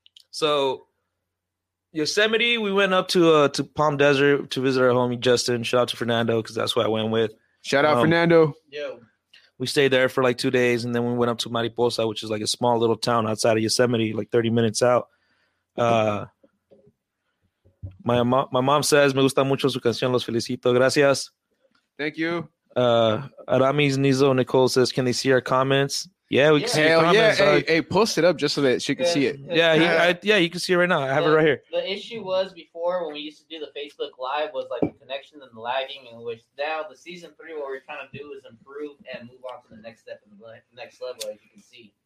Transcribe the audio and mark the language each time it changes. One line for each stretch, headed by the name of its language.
English: So, Yosemite, we went up to Palm Desert to visit our homie Justin. Shout out to Fernando, because that's who I went with. Shout out, Fernando. Yo. We stayed there for like 2 days, and then we went up to Mariposa, which is like a small little town outside of Yosemite, like 30 minutes out. My mom says,
Spanish: me gusta mucho su canción, los felicito. Gracias.
English: Thank you. Arami's Nizo Nicole says, can they see our comments? Yeah, we can see your comments. Yeah. Hey, post it up just so that she can see it. You can see it right now. I have it right here. The issue was before when we used to do the Facebook Live was like the connection and the lagging, in which now the season 3, what we're trying to do is improve and move on to the next step in the next level, as you can see.